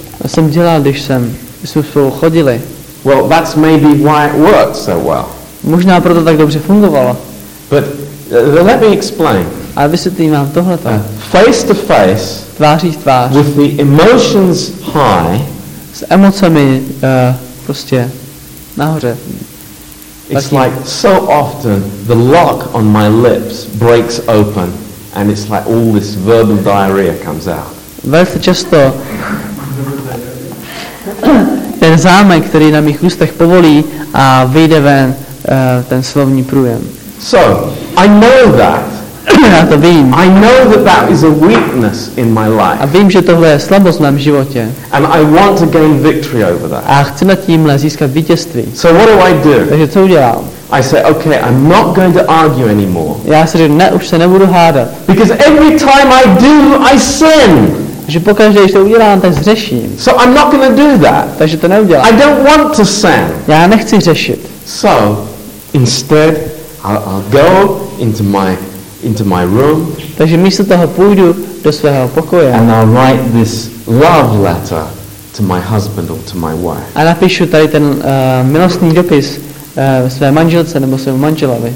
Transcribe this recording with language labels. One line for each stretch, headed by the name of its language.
Czech: To jsem dělal, když jsme spolu chodili.
English: Well, that's maybe why it worked so well.
Czech: Možná proto tak dobře fungovalo.
English: But let me explain.
Czech: A vysvětlím vám tohleto.
English: Face to face.
Czech: Tváří v tvář.
English: With the emotions high,
Czech: s emocemi prostě nahoře.
English: It's like so often the lock on my lips breaks open and it's like all this verbal diarrhea comes out.
Czech: Velice často ten zámek, který na mých ústech povolí a vyjde ven ten slovní průjem.
English: So, I know that.
Czech: Já to vím.
English: I know that that is a weakness in my life.
Czech: A vím, že tohle je slabost v mém životě.
English: And I want to gain victory over that.
Czech: A chci nad tímhle získat vítězství.
English: So what do I do?
Czech: Takže co udělám?
English: I say, okay, I'm not going to argue anymore.
Czech: Já si říkám, ne, už se nebudu hádat.
English: Because every time I do, I sin.
Czech: Že pokaždé, když to udělám, tak zřeším.
English: So I'm not going to do that.
Czech: Takže to neudělám.
English: I don't want to sin.
Czech: Já nechci řešit.
English: So instead, I'll go into my room.
Czech: Takže místo toho půjdu do svého pokoje.
English: And I'll write this love letter to my husband or to my wife.
Czech: A napíšu tady ten milostný dopis své manželce nebo svému manželovi.